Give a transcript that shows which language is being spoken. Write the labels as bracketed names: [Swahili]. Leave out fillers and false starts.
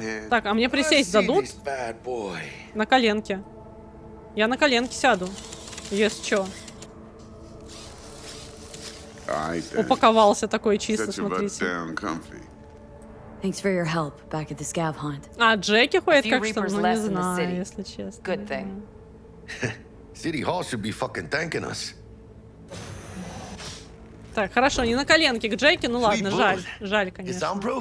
[Russian] Так, а мне присесть дадут? На коленке. Я на коленке сяду. Если что. Упаковался такой чисто, смотрите. [English] Thanks for your help back at the scav hunt. [Russian] А Джеки ходит как что, ну не знаю, если честно. [English] Good thing. City Hall should be fucking thanking us. [Russian] Так, хорошо, не на коленке к Джеки, ну ладно, жаль, жаль, конечно.